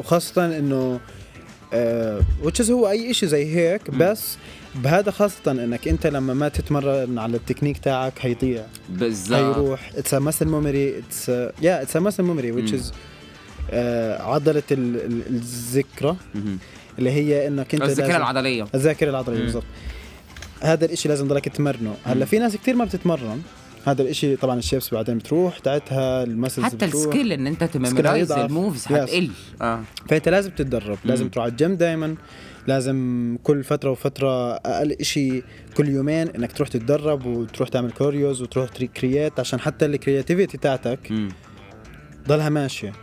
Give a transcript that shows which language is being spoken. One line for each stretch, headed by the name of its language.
Arabic: وخاصة إنه
English: which is
Arabic: هو أي إشي زي هيك بس بهذا خاصة إنك أنت لما ما تتمرن على التكنيك تاعك هيضيع. بالضبط. هيروح.
English: It's a muscle memory. It's it's a muscle memory which is
Arabic: عضلة الذكرى اللي هي إنك أنت. الذاكرة العضلية. الذاكرة العضلية بالضبط. هذا الاشي لازم ضلك تمرنه هلا في ناس كتير ما بتتمرن هذا الاشي طبعا الشيبس بعدين بتروح تاعتها المسلز حتى السكيل ان انت تميمرايز الموفز هتقل فانت لازم تتدرب لازم تروح على الجيم دائما لازم كل فتره وفتره اقل اشي كل يومين انك تروح تتدرب وتروح تعمل كوريوز وتروح تريكرييت عشان حتى الكرياتيفيتي تاعتك ضلها ماشية.